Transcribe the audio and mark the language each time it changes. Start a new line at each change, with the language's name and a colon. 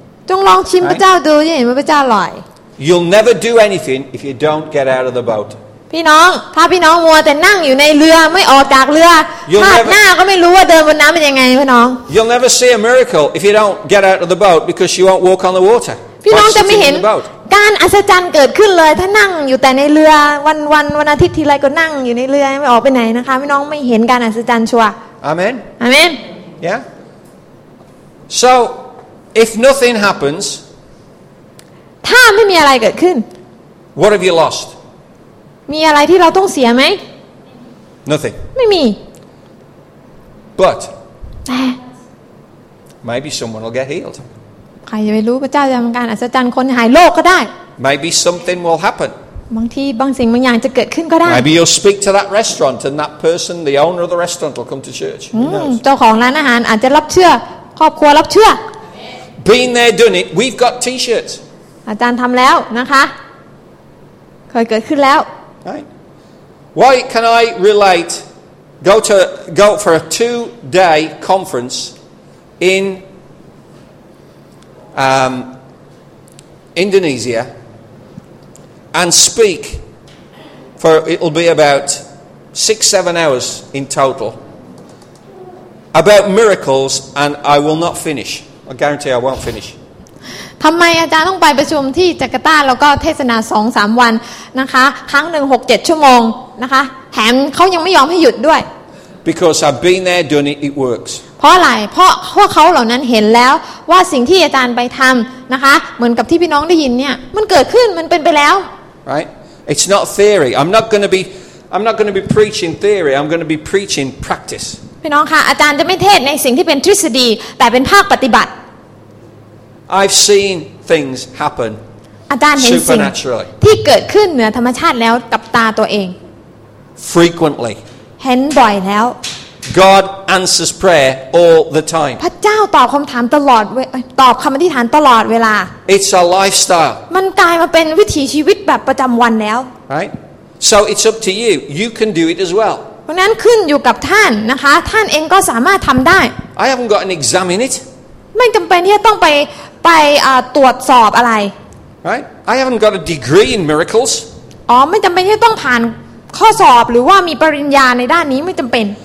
Thai: ต้องลองชิมพระเจ้าดูจะเห็นว่าพระเจ้าอร่อย
English: You'll never do anything if you don't get out of the boat.
Thai: พี่น้องถ้าพี่น้องมัวแต่นั่งอยู่ในเรือไม่ออกจากเรือพลาดหน้าก็ไม่รู้ว่าเดินบนน้ำเป็นยังไงพี่น้อง
English: You'll never see a miracle if you don't get out of the boat because you won't walk on the water
Thai: พี่น้องจะไม่เห็นการอัศจรรย์เกิดขึ้นเลยถ้านั่งอยู่แต่ในเรือวันอาทิตย์ทีไรก็นั่งอยู่ในเรือไม่ออกไปไหนนะคะพี่น้องไม่เห็นการอัศจรรย์ชัว อาเมน อาเมน
English: Yeah So if nothing happens
Thai: ถ้าไม่มีอะไรเกิดขึ้น
English: What have you lost
Thai: มีอะไรที่เราต้องเสียไหม
English: Nothing
Thai: ไม่มี
English: But
Thai: แต่
English: Maybe someone will get healed
Thai: ใครจะไปรู้พระเจ้าจะทำการอัศจรรย์คนหายโรคก็ได้
English: Maybe something will happen
Thai: บางทีบางสิ่งบางอย่างจะเกิดขึ้นก็ได้
English: Maybe you'll speak to that restaurant and that person the owner of the restaurant will come to church
Thai: เจ้าของร้านอาหารอาจจะรับเชื่อครอบครัวรับเชื่อ
English: Been there done it we've got t-shirts
Thai: อาจารย์ทำแล้วนะคะเคยเกิดขึ้นแล้ว
English: Right. Why can I relate? Go for a 2-day conference in Indonesia and speak for, it'll be about 6-7 hours in total, about miracles, and I will not finish. I guarantee I won't finish.
Thai: ทำไมอาจารย์ต้องไปประชุมที่จาการ์ตาแล้วก็เทศนา 2-3 วันนะคะครั้งหนึ่ง 6-7 ชั่วโมงนะคะแถมเขายังไม่ยอมให้หยุดด้วย
English: Because I've been there, done it, it works.
Thai: เพราะอะไรเพราะพวกเขาเหล่านั้นเห็นแล้วว่าสิ่งที่อาจารย์ไปทำนะคะเหมือนกับที่พี่น้องได้ยินเนี่ยมันเกิดขึ้นมันเป็นไปแล้ว
English: Right? It's not theory. I'm not going to be preaching theory. I'm going to be preaching practice.
Thai: พี่น้องคะอาจารย์จะไม่เทศในสิ่งที่เป็นทฤษฎีแต่เป็นภาคปฏิบัติ
English: I've seen things happen supernaturally.
Thai: ที่เกิดขึ้นเหนือธรรมชาติแล้วกับตาตัวเอง
English: Frequently.
Thai: เห็นบ่อยแล้ว
English: God answers prayer all the time.
Thai: พระเจ้าตอบคำถามตลอดตอบคำอธิษฐานตลอดเวลา
English: It's a lifestyle.
Thai: มันกลายมาเป็นวิถีชีวิตแบบประจำวันแล้ว
English: Right? So it's up to you. You can do it as well.
Thai: เพราะนั้นขึ้นอยู่กับท่านนะคะท่านเองก็สามารถทำได้
English: I haven't got an exam in it.
Thai: ไม่จำเป็นที่จะต้องไปตรวจสอบอะไร
English: Right I haven't got a degree in miracles
Thai: อ๋อไม่จำเป็นที่ต้องผ่านข้อสอบหรือว่ามีปริญญาในด้านนี้ไม่จำเป็น